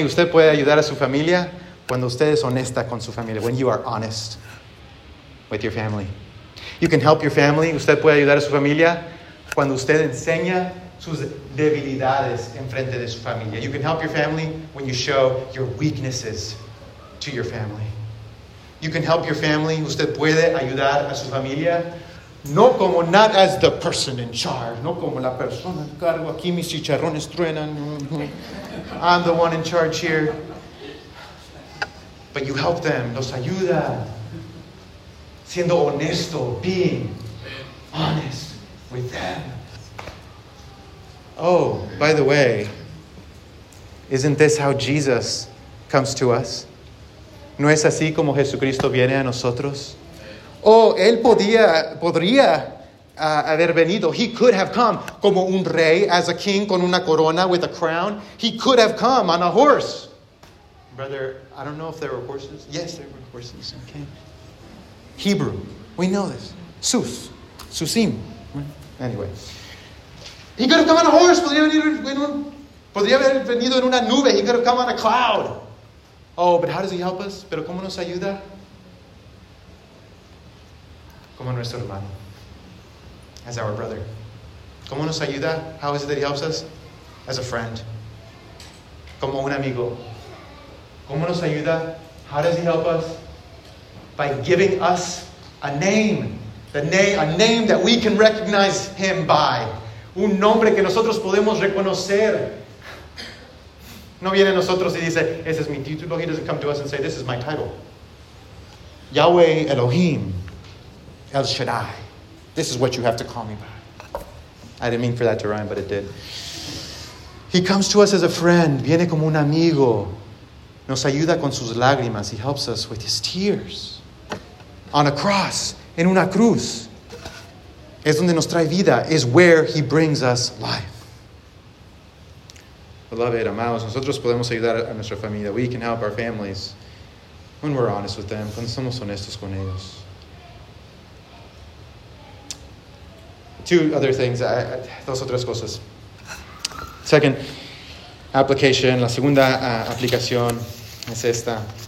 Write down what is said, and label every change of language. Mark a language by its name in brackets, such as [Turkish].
[Spanish] Usted puede ayudar a su familia cuando usted es honesta con su familia. [English] When you are honest with your family. You can help your family. [Spanish] Usted puede ayudar a su familia cuando usted enseña sus debilidades en frente de su familia. [English] You can help your family when you show your weaknesses to your family. You can help your family. [Spanish] Usted puede ayudar a su familia. No como, [English] not as the person in charge. [Spanish] No como la persona en cargo. Aquí mis chicharrones truenan. [English] I'm the one in charge here. But you help them. [Spanish] Los ayuda. Siendo honesto. [English] Being honest with them. Oh, by the way, isn't this how Jesus comes to us? [Spanish] ¿No es así como Jesucristo viene a nosotros? Oh, él podría haber venido. [English] He could have come [Spanish] como un rey, [English] as a king, [Spanish] con una corona, [English] with a crown. He could have come on a horse. Brother, I don't know if there were horses. Yes, there were horses. Okay. Hebrew. We know this. Sus. Susim. Anyway. He could have come on a horse. [Spanish] Podría haber venido en una nube. [English] He could have come on a cloud. Oh, but how does he help us? [Spanish] ¿Pero cómo nos ayuda? Como nuestro hermano. [English] As our brother. [Spanish] ¿Cómo nos ayuda? [English] How is it that he helps us? As a friend. [Spanish] Como un amigo. [English] ¿Cómo nos ayuda? How does he help us? By giving us a name. A name that we can recognize him by. [Spanish] Un nombre que nosotros podemos reconocer. No viene a nosotros y dice, ese es mi título. [English] He doesn't come to us and say, this is my title. Yahweh Elohim. El Shaddai. This is what you have to call me by. I didn't mean for that to rhyme, but it did. He comes to us as a friend. [Spanish] Viene como un amigo. Nos ayuda con sus lágrimas. [English] He helps us with his tears. On a cross. [Spanish] En una cruz. Es donde nos trae vida. [English] Is where he brings us life. [Spanish] Beloved, amados, nosotros podemos ayudar a nuestra familia. [English] We can help our families when we're honest with them. [Spanish] Cuando somos honestos con ellos. [English] Two other things. [Spanish] Dos otras cosas. [English] Second application. [Spanish] La segunda aplicación es esta.